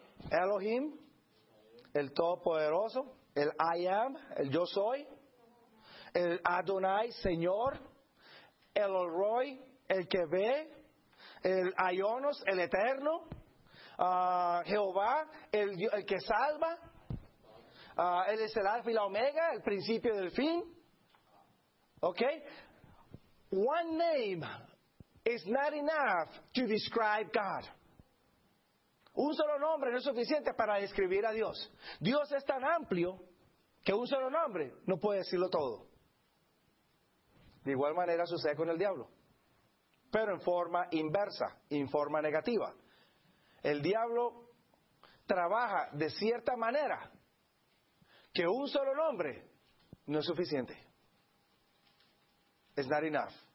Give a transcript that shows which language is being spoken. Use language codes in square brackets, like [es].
[es] Elohim, el Todopoderoso, el I Am, el Yo Soy, el Adonai, Señor, el Elroy, el que ve, el Aionos, el Eterno. Jehová, el que salva, él es el alfa y la omega, el principio del fin. [en] Ok, one name is not enough to describe God. [es] Un solo nombre no es suficiente para describir a Dios. Dios es tan amplio que un solo nombre no puede decirlo todo. De igual manera sucede con el diablo, pero en forma inversa, en forma negativa. El diablo trabaja de cierta manera que un solo nombre no es suficiente. [en] It's not enough.